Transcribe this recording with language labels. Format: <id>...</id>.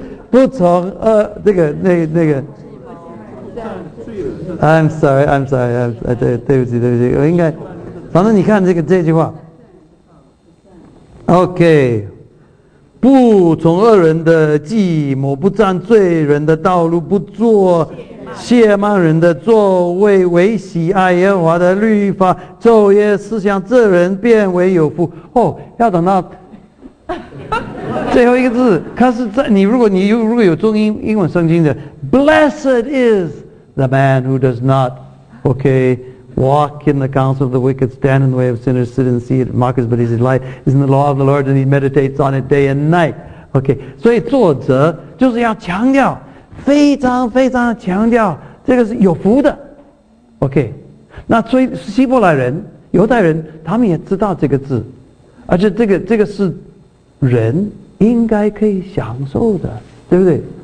<zh>不从那个</zh> <en>I'm sorry,</en> <zh>对不起，我应该，反正你看这句话 ，OK， 不从恶人的计谋，不占罪人的道路，不坐亵慢人的座位，唯喜爱耶和华的律法，昼夜思想，这人变为有福。哦，要等到最后一个字，可是如果你有中英文圣经的 ，</zh> <en>Blessed is。 The man who does not, okay, walk in the counsel of the wicked, stand in the way of sinners, sit in the seat of mockers, but his delight is in the law of the Lord, and he meditates on it day and night.</en> <zh>Okay, 所以作者就是要强调，非常非常强调，这个是有福的。 Okay, 那所以希伯来人、犹太人，他们也知道这个字，而且这个是人应该可以享受的，对不对？</zh>